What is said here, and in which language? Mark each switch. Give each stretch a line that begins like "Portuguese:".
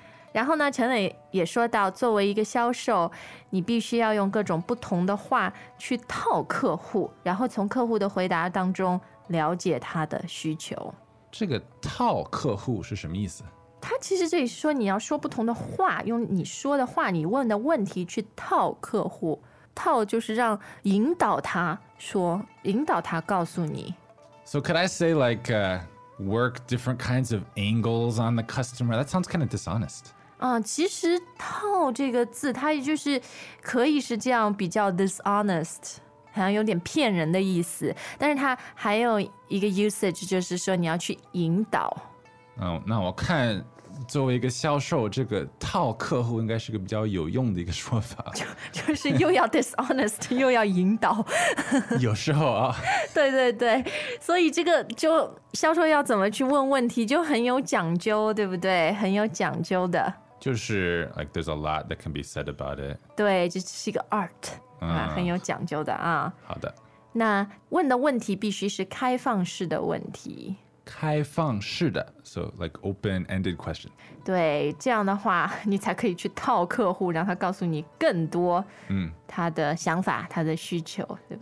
Chinese: 然后呢，陈磊也说到，作为一个销售，你必须要用各种不同的话去套客户，然后从客户的回答当中了解他的需求。这个套客户是什么意思？他其实这里说你要说不同的话，用你说的话，你问的问题去套客户。套就是让引导他说，引导他告诉你。
English: So could I say like work different kinds of angles on the customer? That sounds kind of dishonest.
Chinese: 其实套这个字它也就是可以是这样比较 dishonest, 好像有点骗人的意思。但是它还有一个 usage, 就是说你要去引导。那我看作为一个销售，这个套客户应该是个比较有用的一个说法。就是又要 dishonest, 又要引导。有时候啊。对对对。所以这个就销售要怎么去问问题就很有讲究，对不对？很有讲究的。
English: 就是 like there's a lot that can be said about it.
Chinese: 对，这是一个 art,、很有讲究的啊。好的。那问的问题必须是开放式的问题。
English: 开放式的 so like open-ended question.
Chinese: 对，这样的话你才可以去套客户，让他告诉你更多他的想法、他的需求，对不